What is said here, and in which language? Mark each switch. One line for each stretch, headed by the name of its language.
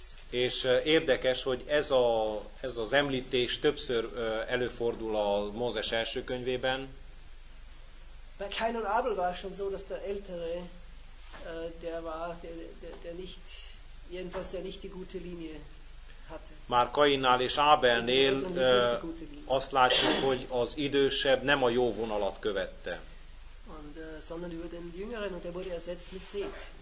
Hungarian: És érdekes, hogy ez az említés többször előfordul a Mózes első könyvében.
German: Bei Kain und Abel war schon so, dass der Ältere, der war, der nicht, jedenfalls der nicht die gute Linie hatte.
Hungarian: Már Kainnál és Ábelnél azt látjuk, hogy az idősebb nem a jó vonalat követte.
German: Und, sondern über den Jüngeren, und der wurde ersetzt mit Seth.